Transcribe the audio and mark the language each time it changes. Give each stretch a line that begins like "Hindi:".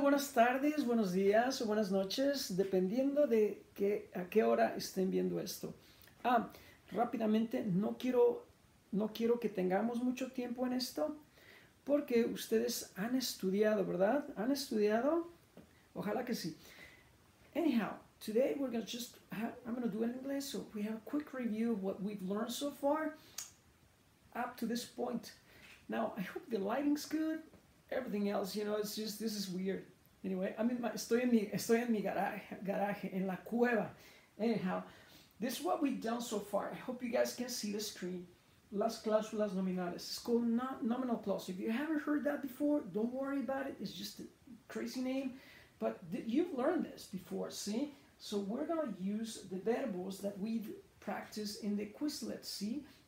Spanish: Buenas tardes, buenos días o buenas noches, dependiendo de a qué hora estén viendo esto. Ah, rápidamente, no quiero que tengamos mucho tiempo en esto, porque ustedes han estudiado, ¿verdad? ¿Han estudiado? Ojalá que sí.
English: Anyhow, today we're gonna just, I'm gonna do it in English, so we have a quick review of what we've learned so far up to this point. Now, I hope the lighting's good. Everything else, you know, it's just, this is weird. Anyway, I mean,
Spanish: estoy en mi garaje, en la cueva.
English: Anyhow, this is what we've done so far. I hope you guys can see the screen.
Spanish: Las cláusulas nominales.
English: It's called nominal clause. If you haven't heard that before, don't worry about it. It's just a crazy name. But you've learned this before, see? So we're gonna use the verbos that we've practiced in the Quizlet, see?